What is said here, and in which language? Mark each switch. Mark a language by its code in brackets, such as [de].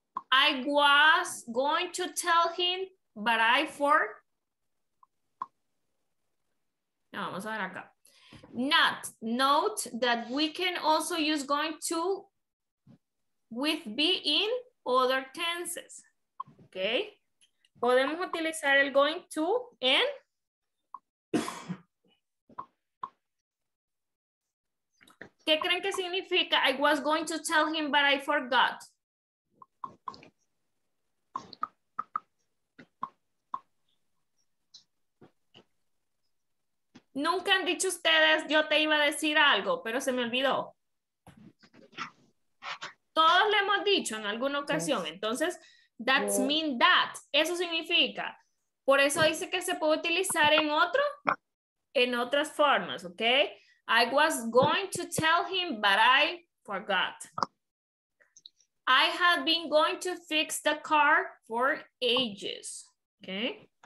[en] I was going to tell him, but I forgot. [es] Vamos a ver acá. [en] Not, note that we can also use going to with be in other tenses, okay? [es] Podemos utilizar el going to en ¿qué creen que significa? [en] I was going to tell him, but I forgot. [es] Nunca han dicho ustedes, yo te iba a decir algo, pero se me olvidó. Todos le hemos dicho en alguna ocasión. Entonces, [en] that's mean that. [es] Eso significa. Por eso dice que se puede utilizar en otro, en otras formas, ¿ok? [en] I was going to tell him, but I forgot. I had been going to fix the car for ages, ¿ok?